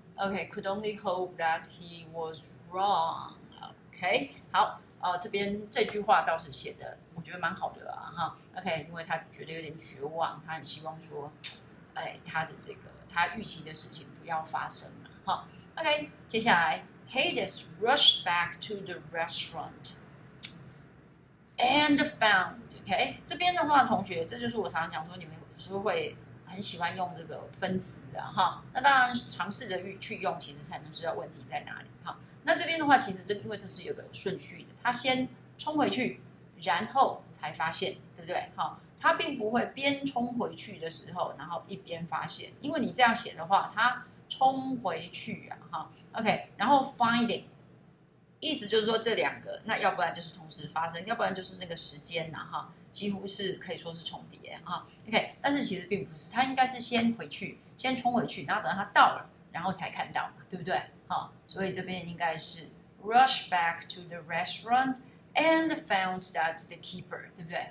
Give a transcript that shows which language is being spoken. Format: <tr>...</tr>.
<en>OK, could only hope that he was wrong.</en> <zh>OK, 好，这边这句话倒是写的，我觉得蛮好的啊，哈。 OK, 因为他觉得有点绝望，他很希望说，他的这个他预期的事情不要发生了，哈。</zh> <en>OK, 接下来 ，Hades rushed back to the restaurant and found.</en> <zh>OK, 这边的话同学，这就是我常常讲说你们有时候会很喜欢用这个分词的哈。那当然尝试着去用其实才能知道问题在哪里哈。那这边的话其实因为这是有个顺序的，他先冲回去然后才发现，对不对哈？他并不会边冲回去的时候然后一边发现，因为你这样写的话他冲回去啊哈。OK, 然后 finding, 意思就是说这两个，那要不然就是同时发生，要不然就是那个时间啊，哈，几乎是可以说是重叠啊。 OK， 但是其实并不是，他应该是先回去，先冲回去，然后等到他到了，然后才看到嘛，对不对？哈，所以这边应该是</zh> <en>rush back to the restaurant and found that the keeper，</en> <zh>对不对？</zh>